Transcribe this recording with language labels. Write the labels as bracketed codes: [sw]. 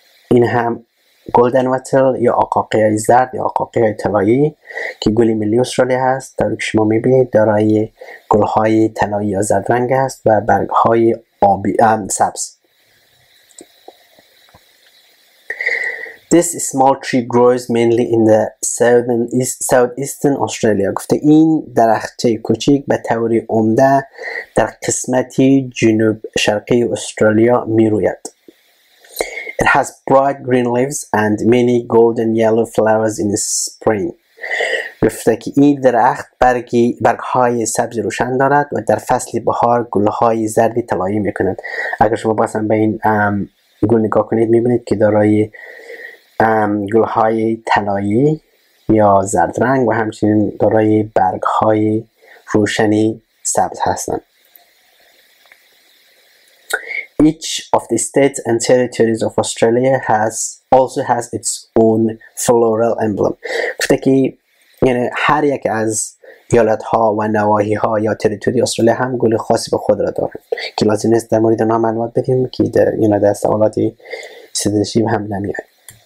[fa] این هم گلدن وتل یا آقاقه‌های زرد یا آقاقه‌های طلایی که گلی ملی استرالیا هست. در که شما می بینید دارای گلهای طلایی یا زرد رنگ است و برگهای آبی سبز. [en] This small tree grows mainly in the southeastern Australia. [fa] گفته این درخته کوچیک به طور عمده در قسمتی جنوب شرقی استرالیا می روید. [en] It has bright green leaves and many golden yellow flowers in the spring. [fa] گفته که این درخت برگهای سبز روشن دارد و در فصل بهار گلهای زردی طلایی می کند. اگر شما بازم به این گل نگاه کنید می بینید که دارای گلهای طلایی یا زرد رنگ و همچنین دارای برگهای روشنی سبز هستند. [en] Each of the states and territories of Australia also has its own floral emblem. [fa] گفته که یعنی هر یک از ایالت ها و نواحی ها یا تریتوری استرالیا هم گل خاصی به خود را دارند که لازم نیست در مورد نام معلومات بدیم که در این یعنی دست سوالات سیتیزنشی هم نمیاد.